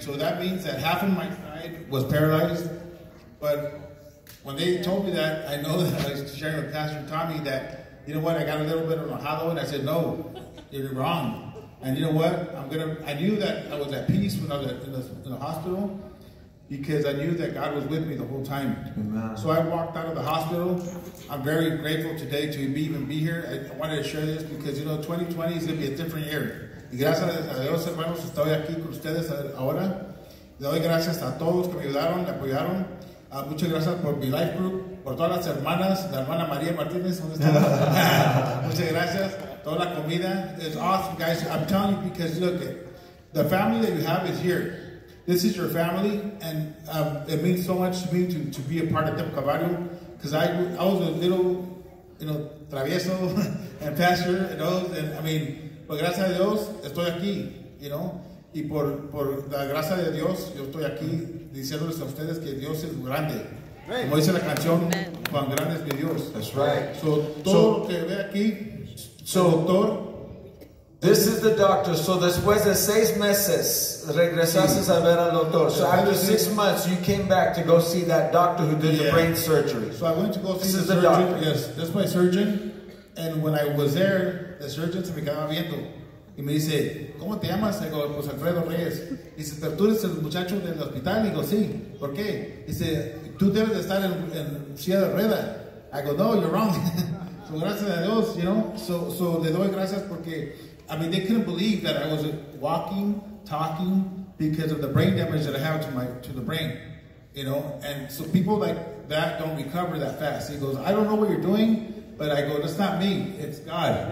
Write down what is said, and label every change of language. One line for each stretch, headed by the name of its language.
English: So that means that half of my side was paralyzed. But when they told me that, I know that I was sharing with Pastor Tommy that, you know what, I got a little bit of a hollow, and I said, "No, you're wrong." And you know what? I knew that I was at peace when I was in the hospital, because I knew that God was with me the whole time. Amen. So I walked out of the hospital. I'm very grateful today to even be here. I wanted to share this because, 2020 is going to be a different year.
Spanish: Y gracias a Dios, hermanos, estoy aquí con ustedes ahora. Le doy gracias a todos que me ayudaron, me apoyaron. Muchas gracias por mi life group, por todas las hermanas, la hermana María Martínez. ¿Dónde está? Muchas gracias. Toda la comida.
English: It's awesome, guys. I'm telling you, because look, the family that you have is here. This is your family, and it means so much to me to be a part of Tempo Calvario, because I was a little, travieso and pastor, but
Spanish: gracias a Dios, estoy aquí, Y por la gracia de Dios, yo estoy aquí diciéndoles a ustedes que Dios es grande. Como dice la canción, cuán grande es mi Dios.
English: That's right.
Spanish: So, todo lo que ve aquí, so, doctor,
English: this is the doctor.
Spanish: So, después de 6 meses, regresaste a ver al doctor.
English: So, after 6 months, you came back to go see that doctor who did the brain surgery. So, I went to go see the surgeon. Doctor. Yes, that's my surgeon. And when I was there, the surgeon
Spanish: se me quedaba viendo. Y me dice, ¿cómo te llamas? Y digo, pues Alfredo Reyes. Y dice, ¿pero tú eres el muchacho del hospital? Y digo, sí. ¿Por qué? Y dice, tú debes de estar en silla de rueda.
English: I go, no, you're wrong. So,
Spanish: gracias a Dios, So, le doy gracias porque,
English: they couldn't believe that I was walking, talking, because of the brain damage that I have to the brain, And so people like that don't recover that fast. He goes, I don't know what you're doing. But I go, that's not me, it's God.